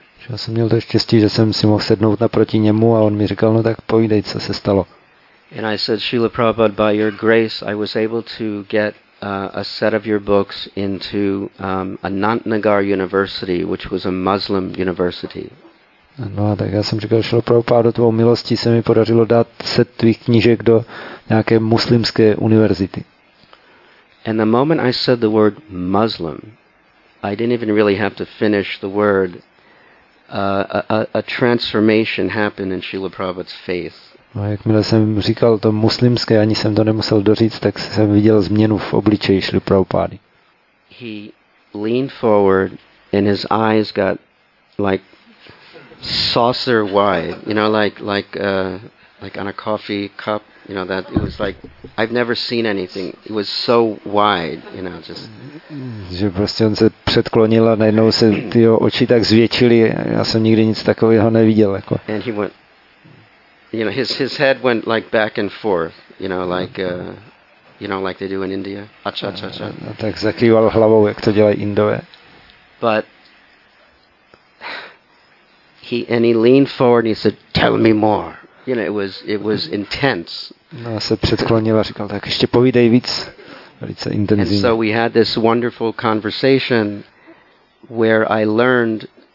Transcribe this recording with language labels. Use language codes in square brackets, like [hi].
[cs] Já jsem měl to štěstí, že jsem si mohl sednout naproti němu a on mi říkal, no tak povídej, co se stalo. [en] And I said, Srila Prabhupada, by your grace, I was able to get a set of your books into Anantnagar University, which was a Muslim university. [cs] No a tak já jsem říkal, Srila Prabhupada, do tvou milosti se mi podařilo dát set tvých knížek do nějaké muslimské univerzity. [en] And the moment I said the word Muslim, I didn't even really have to finish the word. A transformation happened in Srila Prabhupada's face. [cs] No, jakmile jsem říkal to muslimské, ani jsem to nemusel doříct, tak jsem viděl změnu v obličeji Srila Prabhupády. [en] He leaned forward and his eyes got like saucer wide, you know, like on a coffee cup, you know, that it was like I've never seen anything. It was so wide, you know, just. [cs] Že prostě on se předklonil a najednou se ty jeho oči tak zvětšily. Já jsem nikdy nic takového neviděl, jako. [en] And he went, you know, his head went like back and forth, you know, like they do in India. Ach, ach, ach, ach. [cs] A tak zakýval hlavou, jak to dělají Indové. [en] But he leaned forward and he said, "Tell me more." You know, it was intense. [cs] No, se předklonil a říkal, tak ještě povídej víc. Velice intenzivní. [en] And so we had this wonderful conversation where I learned